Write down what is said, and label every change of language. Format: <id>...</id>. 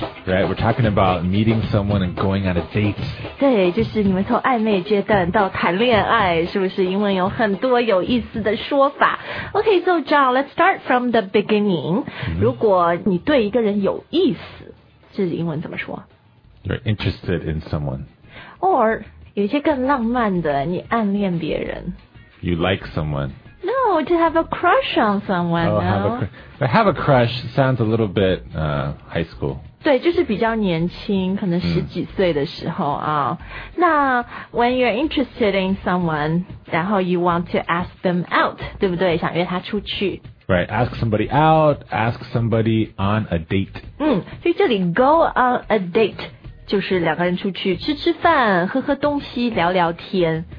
<en>Right, we're talking about meeting someone and going on a date.</en> <zh>对，就是你们从暧昧阶段到谈恋爱，是不是？英文有很多有意思的说法。</zh> <en>Okay, so John, let's start from the beginning.、</en> <zh>Mm-hmm. 如果你对一个人有意思，是英文怎么说？</zh> <en>You're interested in someone.</en> <zh>Or, 有一些更浪漫的，你暗恋别人。</zh> <en>You like someone. No, to have a crush on someone. Oh, no? Have a crush sounds a little bit high school.</en> <zh>对，就是比较年轻，可能十几岁的时候啊。</zh> <en>那 when you're interested in someone, 然后 you want to ask them out,</en> <zh>对不对？想约他出去。</zh> <en>Right, ask somebody out, ask somebody on a date.</en> <zh>所以这里 go on a date 就是两个人出去吃吃饭、喝喝东西、聊聊天。</zh>